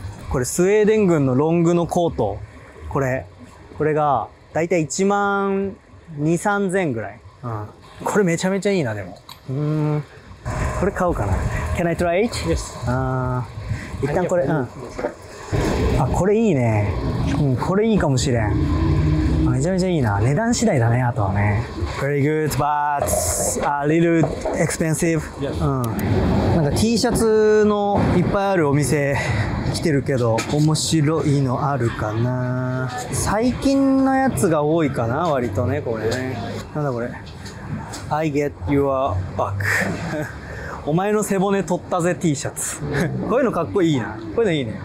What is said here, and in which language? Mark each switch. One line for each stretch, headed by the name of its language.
Japanese: これスウェーデン軍のロングのコート、これがだいたい12000-13000ぐらい、これめちゃめちゃいいな。でもこれ買おうかな。
English: Can I try it? Yes.
Japanese: 一旦これ、あ、これいいね、これいいかもしれん。めちゃめちゃいいな、値段次第だね、あとはね。
English: Very good, but a little expensive.
Japanese: なんか T シャツのいっぱいあるお店来てるけど、面白いのあるかな。最近のやつが多いかな、割とね、これね。なんだこれ、
English: I get your back
Japanese: お前の背骨取ったぜ T シャツこういうのかっこいいな、こういうのいいね。